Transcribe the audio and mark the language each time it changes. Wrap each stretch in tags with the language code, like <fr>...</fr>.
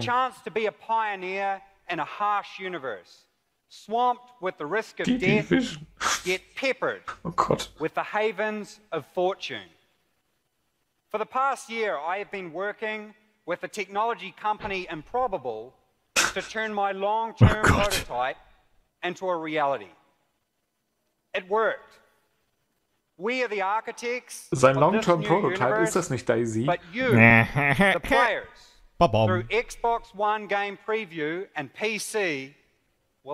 <en>The chance to be a pioneer in a harsh universe, swamped with the risk of death, yet peppered with the havens of fortune. For the past year, I have been working with the technology company Improbable to turn my long-term prototype into a reality. It worked. We are the architects.</en> <de>Sein</de> <en>long-term prototype</en> <de>ist das nicht, DayZ?</de> <en>But you, the players, through Xbox One Game Preview and PC, will</en>